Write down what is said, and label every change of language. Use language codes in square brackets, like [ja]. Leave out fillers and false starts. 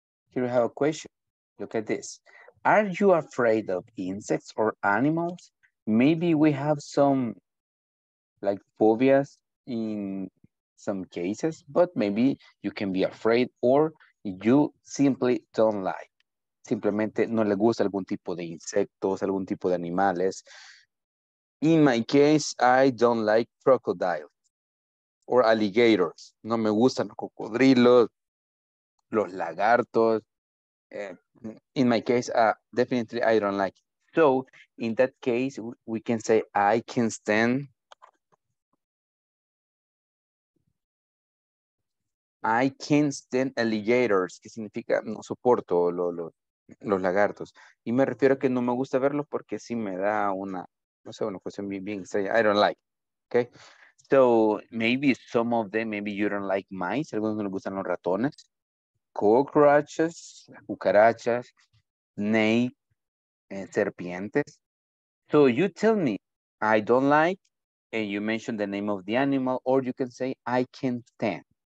[en] Here we have a question. Look at this. Are you afraid of insects or animals? Maybe we have some, like, phobias in some cases, but maybe you can be afraid or you simply don't like. [es] Simplemente no le gusta algún tipo de insectos, algún tipo de animales. [en] In my case, I don't like crocodiles or alligators. [es] No me gustan los cocodrilos, los lagartos. [en] In my case, definitely I don't like it. So in that case, we can say I can stand. I can't stand alligators, [es] que significa no soporto los lagartos. Y me refiero a que no me gusta verlos porque sí me da una, no sé, una cuestión bien extraña. [en] I don't like. Okay. So maybe some of them, maybe you don't like mice. [es] Algunos no les gustan los ratones. Cockroaches, cucarachas, snake, serpientes. [en] So you tell me, I don't like, and you mention the name of the animal, or you can say, I can't stand.